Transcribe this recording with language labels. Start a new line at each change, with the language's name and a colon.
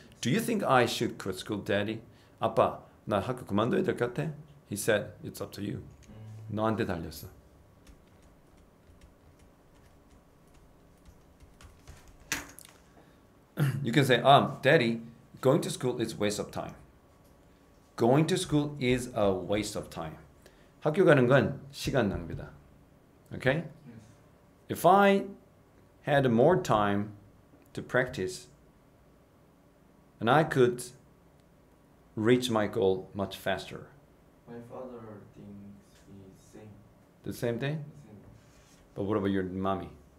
English: Do you think I should quit school, Daddy?
Korean: 아빠, 나 학교 그만둬야 될것 같아?
English: He said, It's up to you.
Korean: 너한테 달렸어.
English: You can say, Daddy, going to school is a waste of time. Going to school is a waste of time.
Korean: 학교 가는 건 시간 낭비다.
English: Okay? If I had more time to practice, and I could reach my goal much faster. My father thinks he's same. The same thing? But what about your mommy?